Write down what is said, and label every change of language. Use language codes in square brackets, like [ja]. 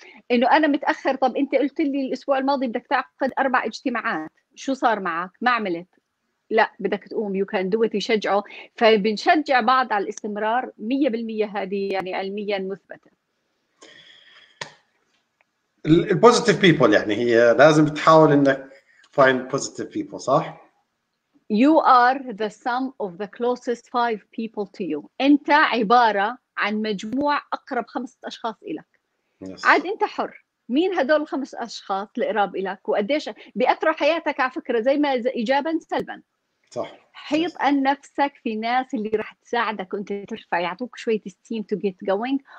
[ar] انه انا متاخر، طب انت قلت لي الاسبوع الماضي بدك تعقد 4 اجتماعات، شو صار معك؟ ما عملت. لا بدك تقوم، [en] You can do it. [ar] يشجعه، فبنشجع بعض على الاستمرار 100%. هذه يعني علميا مثبته. البوزيتيف بيبل، يعني هي لازم تحاول انك فايند بوزيتيف بيبل، صح؟ [en] You are the sum of the closest 5 people to you. [ar] أنت عبارة عن مجموع أقرب 5 أشخاص إلك. [en] Yes. [ar] عاد أنت حر. مين هدول 5 أشخاص القراب إلك؟ وقديش بأثروا حياتك على فكرة، زي ما إجاباً سلباً. صح حيط ان نفسك في ناس اللي راح تساعدك وانت ترفع، يعطوك شويه [en] ستيم تو جيت جوينج.